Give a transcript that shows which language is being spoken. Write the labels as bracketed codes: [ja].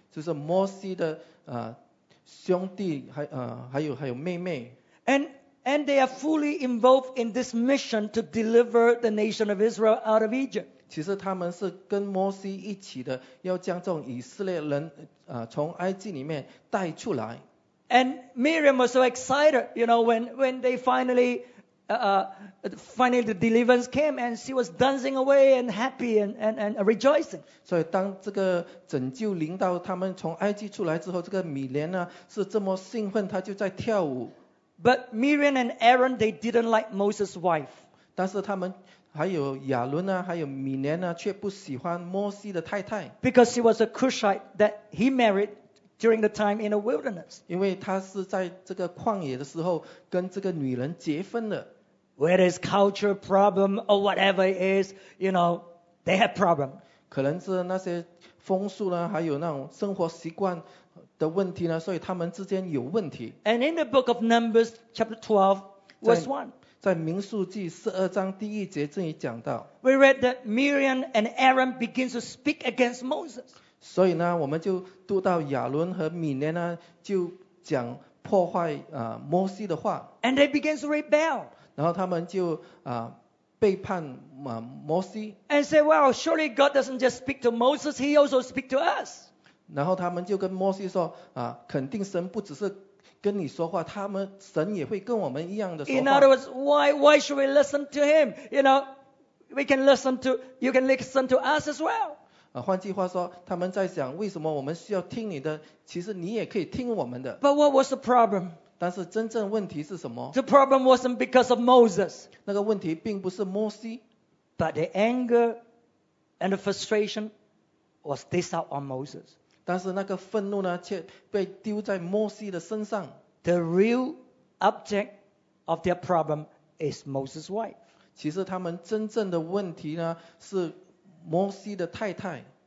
[zh] 就是摩西的兄弟，还有妹妹。 [en] And they are fully involved in this mission to deliver the nation of Israel out of Egypt. [zh] 其实他们是跟摩西一起的，要将这种以色列人从埃及里面带出来。 [en] And Miriam was so excited, you know, when they finally the deliverance came, and she was dancing away and happy and rejoicing. [zh] 所以当这个拯救临到他们从埃及出来之后，这个米莲呢是这么兴奋，她就在跳舞。 [en] But Miriam and Aaron, they didn't like Moses' wife. [zh] 但是他们还有亚伦啊，还有米莲啊，却不喜欢摩西的太太。 [en] Because she was a Cushite that he married during the time in the wilderness. [zh] 因为他是在这个旷野的时候跟这个女人结婚的。 [en] Whether it's culture problem or whatever it is, you know, they have problem. [zh] 可能是那些风俗呢，还有那种生活习惯。的问题呢，所以他们之间有问题。 [en] And in the book of Numbers, chapter 12, verse 1, [zh] 在民数记十二章第一节这里讲到 [en] ，We read that Miriam and Aaron begin to speak against Moses. [zh] 所以呢，我们就读到亚伦和米莲呢，就讲破坏摩西的话。 [en] And they begin to rebel. [zh] 然后他们就背叛摩西。 [en] And say, well, surely God doesn't just speak to Moses; He also speaks to us. [zh] 然后他们就跟摩西说肯定神不只是跟你说话，他们神也会跟我们一样的说话。 [en] In other words, why should we listen to him? You know, we can listen to, you can listen to us as well. [zh] 换句话说，他们在想为什么我们需要听你的？其实你也可以听我们的。 [en] But what was the problem? [zh] 但是真正问题是什么？ [en] The problem wasn't because of Moses. [zh] 那个问题并不是摩西。 [en] But the anger and the frustration was dished out on Moses. [zh] 但是那个愤怒呢，却被丢在摩西的身上。 [en] The real object of their problem is Moses' wife. [zh] 其实他们真正的问题呢，是摩西的太太。